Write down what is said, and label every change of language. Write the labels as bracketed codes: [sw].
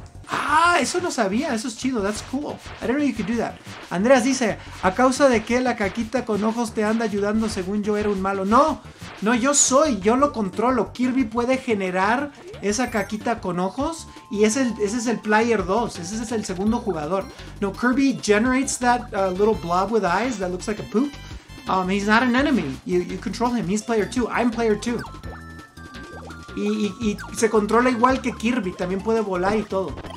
[en] Ah, [es] eso no sabía, eso es chido, [en] that's cool. I didn't know you could do that. [es] Andreas dice, ¿a causa de qué la caquita con ojos te anda ayudando según yo era un malo? No, no, yo lo controlo. Kirby puede generar esa caquita con ojos y ese es el player 2, ese es el segundo jugador. [en] No, Kirby generates that little blob with eyes that looks like a poop. He's not an enemy, you control him, he's player 2, I'm player 2. [es] Y se controla igual que Kirby, también puede volar y todo.